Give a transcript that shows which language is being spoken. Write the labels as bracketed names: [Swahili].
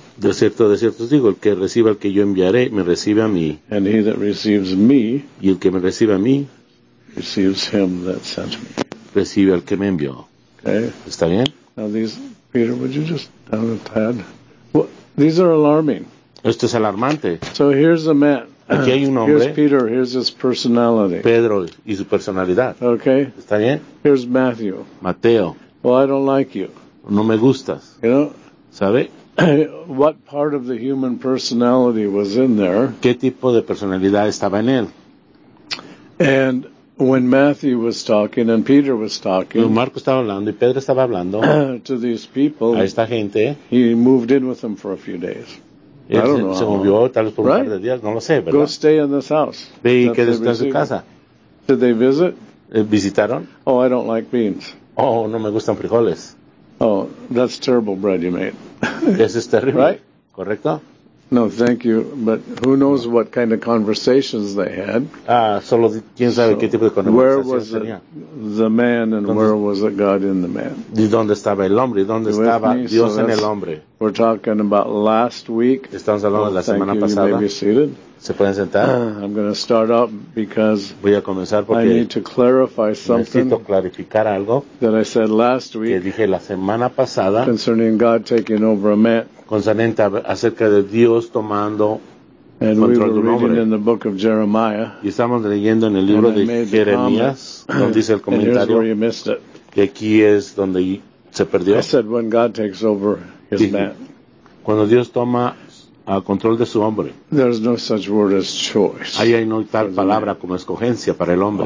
[Spanish] De cierto os digo, el que reciba al que yo enviaré, me recibe a mí. [English] And he that receives me, [Spanish] y el que me recibe a mí, [English] receives him that sent me. [Spanish] Recibe al que me envió. [English] Okay. [Spanish] ¿Está bien? [English] Now Peter, would you just down a tad? Well, these are alarming. [Spanish] Esto es alarmante. [English] So here's a man. [Spanish] Aquí hay un hombre. [English] Here's Peter, here's his personality. [Spanish] Pedro y su personalidad. [English] Okay. [Spanish] ¿Está bien? [English] Here's Matthew. [Spanish] Mateo. [English] Well, I don't like you. [Spanish] No me gustas. [English] You know, [Spanish] ¿sabe? [English] What part of the human personality was in there? [Spanish] ¿Qué tipo de personalidad estaba en él? [English] And when Matthew was talking and Peter was talking, [Spanish] cuando Marco estaba hablando y Pedro estaba hablando, [English] to these people, [Spanish] a esta gente, [English] he moved in with them for a few days. [Spanish] Él se movió tal vez por un par de días, no lo sé, ¿verdad? [English] Go stay in this house. [Spanish] Ve y quédese en su casa. [English] Did they visit? [Spanish] ¿Visitaron? [English] Oh, I don't like beans. [Spanish] Oh, no me gustan frijoles. [English] Oh, that's terrible bread you made. [Spanish] Eso es terrible. [English] Right? [Spanish] ¿Correcto? [English] No, thank you. But who knows what kind of conversations they had. [Spanish] Ah, solo quién sabe qué tipo de conversaciones tenía. [English] Where was the man and where was the God in the man? [Spanish] ¿Y dónde estaba el hombre? ¿Dónde estaba Dios en el hombre? [English] We're talking about last week. [Spanish] Estamos hablando de la semana pasada. [English] You may be seated. [Spanish] ¿Se pueden sentar? [English] I'm going to start out because [Spanish] voy a comenzar porque [English] I need to clarify something [Spanish] necesito clarificar algo [English] that I said last week [Spanish] que dije la semana pasada [English] concerning God taking over a man. [Spanish] Concerniente acerca de Dios tomando [English] and [Spanish] control [English] we were [Spanish] de un hombre. [English] Reading in the book of Jeremiah, [Spanish] y estamos leyendo en el libro de Jeremías donde dice el comentario [English] and here's where you missed it. [Spanish] Y aquí es donde se perdió. [English] I said when God takes over his man. [Spanish] Cuando Dios toma control de su hombre. [English] There's no such word as choice. [Spanish] Ahí hay no tal palabra como escogencia para el hombre.